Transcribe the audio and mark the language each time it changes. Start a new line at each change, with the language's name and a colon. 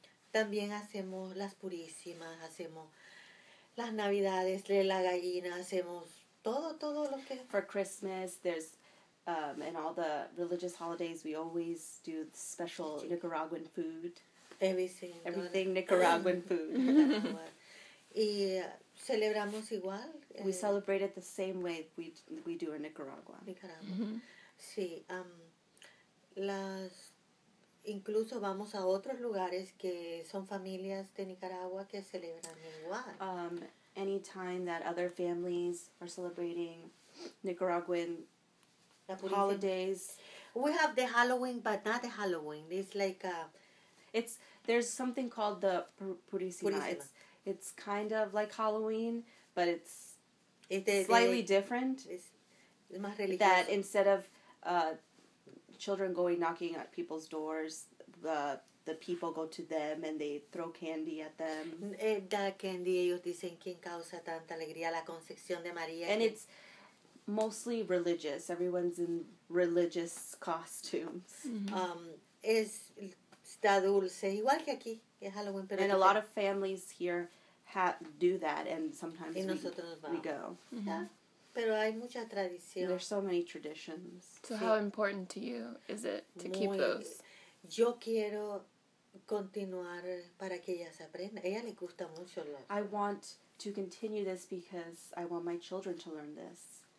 Spanish: También hacemos las purísimas, hacemos las navidades, de la gallina, hacemos todo lo que.
English: For Christmas, there's and all the religious holidays, we always do the special Nicaraguan food. Everything Nicaraguan food.
Spanish: Y celebramos igual.
English: We celebrate it the same way we do in Nicaragua. Nicaragua. Mm-hmm. Sí.
Spanish: Incluso vamos a otros lugares que son familias de Nicaragua que celebran igual.
English: Any time that other families are celebrating Nicaraguan holidays. We have the Halloween, but not the Halloween. It's like a... There's something called the Purísima. It's kind of like Halloween, but it's slightly different.
Spanish: It's más religioso.
English: That instead of children going knocking at people's doors, the the people go to them and they throw candy at them.
Spanish: Da candy, ellos dicen, ¿quién causa tanta alegría? La Concepción de María.
English: And it's mostly religious. Everyone's in religious costumes. Mm-hmm.
Spanish: Está dulce, igual que aquí, que es Halloween.
English: Pero and a lot of families here do that, and sometimes we go. Mm-hmm.
Spanish: Yeah. Pero hay mucha tradición.
English: There's so many traditions. So sí. How important to you is it to keep those?
Spanish: Yo quiero continuar para que ella se aprenda. Ella le gusta mucho.
English: I want to continue this because I want my children to learn this.